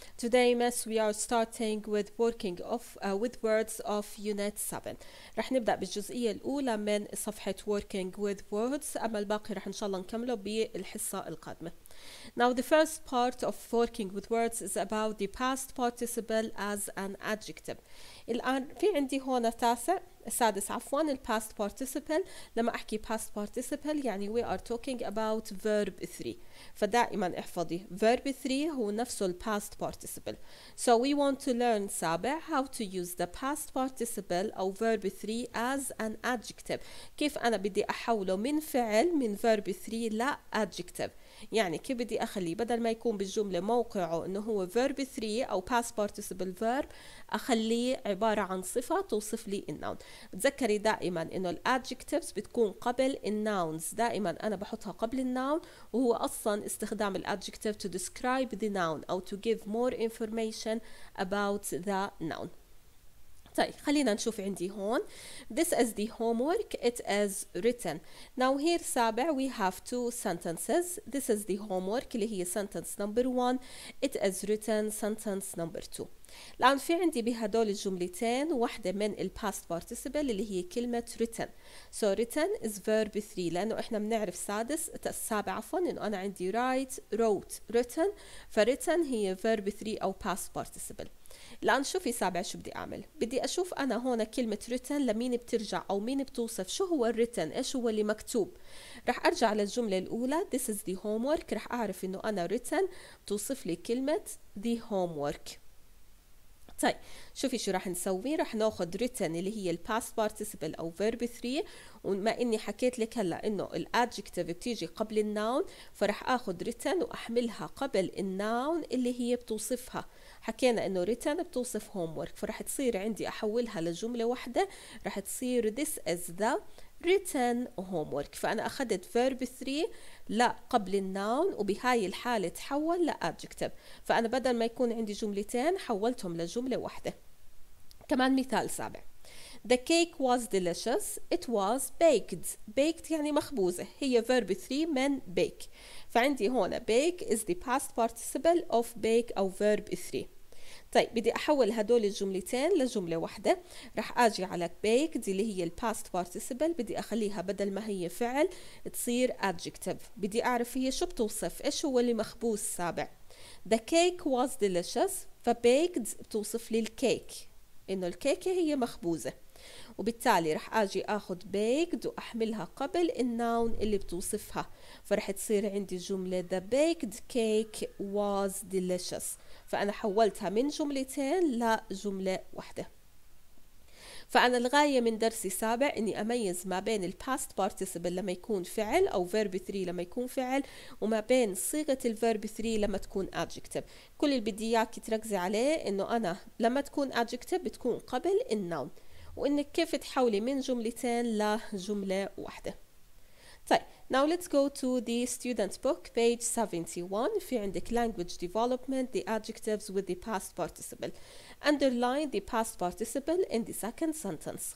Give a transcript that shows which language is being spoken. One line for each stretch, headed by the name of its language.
English: Today, Ms., we are starting with working off with words of Unit 7.
Arabic: رح نبدأ بالجزئية الأولى من صفحة working with words. أما الباقي رح إن شاء الله نكمله بالحصة القادمة.
English: Now, the first part of working with words is about the past participle as an adjective.
Arabic: الآن في عندي هون السادس
English: the past participle.
Arabic: لما أحكي past participle يعني
English: we are talking about verb 3.
Arabic: فدائما احفظي verb 3 هو نفسه the past participle.
English: So we want to learn سابع how to use the past participle أو verb 3 as an adjective.
Arabic: كيف أنا بدي أحوله من فعل من verb 3 لا adjective. يعني كيف بدي أخليه بدل ما يكون بالجملة موقعه أنه هو verb 3 أو past participle verb أخليه عبارة عن صفة توصف لي النون. تذكري دائما أنه الأدجكتيفز بتكون قبل النونز. دائما أنا بحطها قبل النون وهو أصلا استخدام الأدجكتيف
English: to describe the noun أو to give more information about the noun.
Arabic: طيب خلينا نشوف عندي هون.
English: This is the homework. It is written. Now here سابع we have two sentences. This is the homework
Arabic: اللي هي
English: sentence number one. It is written sentence number two.
Arabic: الآن في عندي بهدول الجملتين واحدة من ال past participle اللي هي كلمة written.
English: So written is verb 3
Arabic: لأنه إحنا بنعرف سادس السابع عفوا إنه أنا عندي
English: write wrote written.
Arabic: فwritten هي verb 3 أو past participle. الآن شوفي سابع شو بدي أعمل. بدي أشوف أنا هون كلمة written لمين بترجع أو مين بتوصف شو هو written إيش هو اللي مكتوب. رح أرجع للجملة الأولى
English: this is the homework.
Arabic: رح أعرف إنه أنا written توصف لي كلمة
English: the homework.
Arabic: طيب شوفي شو راح نسوي. راح ناخذ written اللي هي الباست بارتيسيبل او فيرب 3 وما اني حكيت لك هلا انه الادجكتيف بتيجي قبل الناون فراح اخذ written واحملها قبل الناون اللي هي بتوصفها. حكينا انه written بتوصف homework فراح تصير عندي احولها لجمله واحده راح تصير
English: this is the written homework.
Arabic: فانا اخذت فيرب 3 لا قبل الناون وبهاي الحالة تحول لأدجكتيف. فأنا بدل ما يكون عندي جملتين حولتهم لجملة واحدة. كمان مثال سابع
English: The cake was delicious. It was baked.
Arabic: Baked يعني مخبوزة.
English: هي verb 3 من bake. فعندي هنا bake is the past participle of bake أو verb 3.
Arabic: طيب بدي أحول هدول الجملتين لجملة واحدة. رح أجي على bake دي اللي هي past participle بدي أخليها بدل ما هي فعل تصير adjective. بدي أعرف هي شو بتوصف إيش هو اللي مخبوز سابع.
English: The cake was delicious.
Arabic: فbaked بتوصف لي الكيك إنه الكيكة هي مخبوزة. وبالتالي رح أجي أخذ baked وأحملها قبل النون اللي بتوصفها فرح تصير عندي جملة
English: The baked cake was delicious.
Arabic: فأنا حولتها من جملتين لجملة واحدة. فأنا الغاية من درسي سابع أني أميز ما بين الباست participle لما يكون فعل أو verb 3 لما يكون فعل وما بين صيغة الverb 3 لما تكون adjective. كل اللي بدي إياك تركزي عليه أنه أنا لما تكون adjective بتكون قبل النون وإنك كيف تحولي من جملتين لجملة واحدة.
English: طيب Now let's go to the student book, page 71.
Arabic: في عندك
English: language development, the adjectives with the past participle. Underline the past participle in the second sentence.